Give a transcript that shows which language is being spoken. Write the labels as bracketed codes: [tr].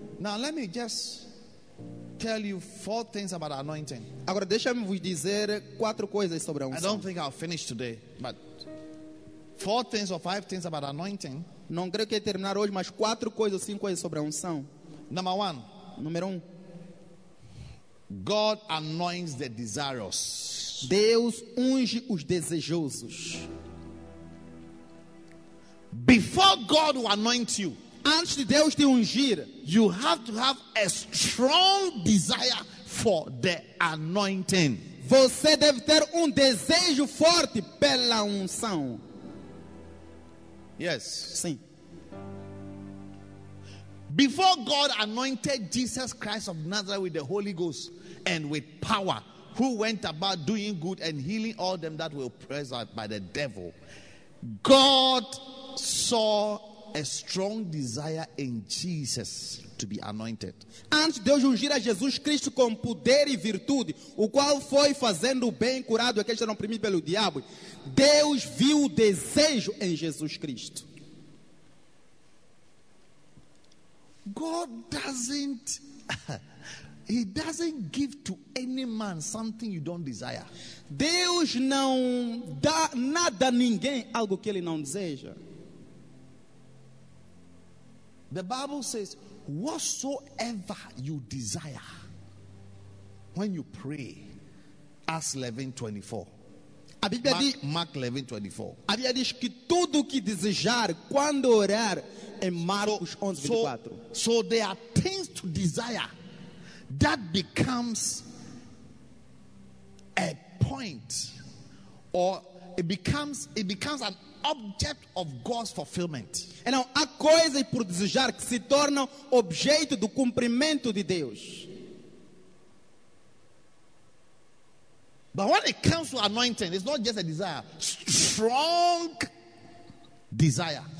[en] Now let me just tell you four things about anointing. [pt] Agora deixa-me vos dizer quatro coisas sobre a unção. [en] I don't think I'll finish today, but four things or five things about anointing. [pt] Não creio que terminar hoje, mas quatro coisas ou cinco coisas sobre a unção. [en] Number one. [pt] Número um. [en] God anoints the desirous. [pt] Deus unge os desejosos. [en] Before God will anoint you, [pt] antes de Deus te ungir, [en] you have to have a strong desire for the anointing. [pt] Você deve ter desejo forte pela unção. [en] Yes. [pt] Sim. [en] Before God anointed Jesus Christ of Nazareth with the Holy Ghost and with power, who went about doing good and healing all them that were oppressed by the devil, God saw a strong desire in Jesus to be anointed. [pt] Antes de Deus ungir a Jesus Cristo com poder e virtude, o qual foi fazendo o bem, curado aqueles que eram oprimidos pelo diabo, Deus viu o desejo em Jesus Cristo. [en] God doesn't He doesn't give to any man something you don't desire. [pt] Deus não dá nada a ninguém algo que ele não deseja. [en] The Bible says, whatsoever you desire, when you pray, ask 11:24. [pt] A Bíblia diz, [en] Mark 11:24. [pt] A Bíblia diz que tudo que desejar, quando orar, em Marcos 11:24. [en] So there are things to desire that becomes a point, or it becomes an object of God's fulfillment. [pt] E não, há coisas por desejar que se tornam objeto do cumprimento de Deus. [en] But when it comes to anointing, it's not just a desire, strong desire.